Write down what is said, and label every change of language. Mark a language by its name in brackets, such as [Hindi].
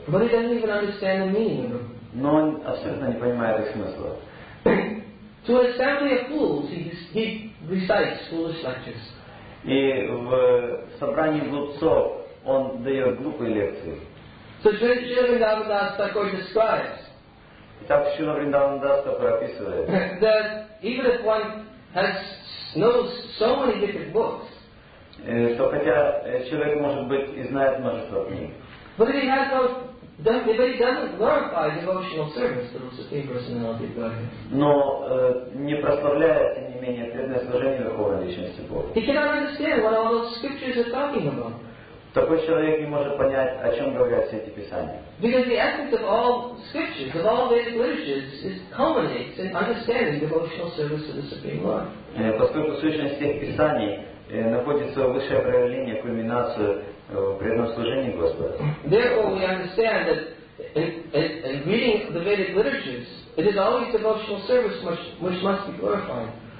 [English] But he doesn't even understand the meaning of them. [Russian] Но он абсолютно не понимает их смысла. [English] To an assembly of fools, he recites foolish lectures. [Russian] И в собрании глупцов он дает глупые лекции. [English] So Srila Vrindavan Das Thakur describes. [Russian] Итак, Шрила Вриндаван Дас Такур описывает. [English] That even if one knows so many different books, [Russian] что хотя человек может быть и знает множество книг. [English] But if he has no, if he doesn't glorify devotional service to the Supreme Personality of Godhead. [Russian] Но не прославляет, тем не менее, преданное служение Верховной Личности Бога. [English] He cannot understand what all those scriptures are talking about. [Russian] такой человек не может понять, о чем говорят все эти писания. [English] Because the essence of all scriptures, of all Vedic literatures, is culminates in understanding devotional service to the Supreme Lord. [Russian] Поскольку сущность всех писаний находится в высшее проявление, кульминацию в преданном служении Господа. [English] Therefore, we understand that in reading the Vedic literatures, it is always devotional service which must be glorified.